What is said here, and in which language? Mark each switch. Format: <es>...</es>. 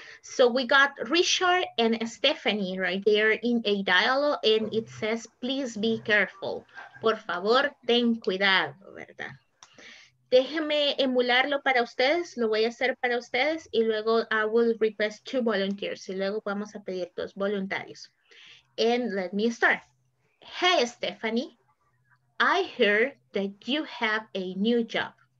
<en>So we got Richard and Stephanie right there in a dialogue and it says, please be careful.</en> <es>Por favor, ten cuidado, ¿verdad? Déjenme emularlo para ustedes, lo voy a hacer para ustedes y luego</es> <en>I will request two volunteers</en> <es>y luego vamos a pedir dos voluntarios.</es> <en>And let me start. Hey, Stephanie. I heard that you have a new job.</en>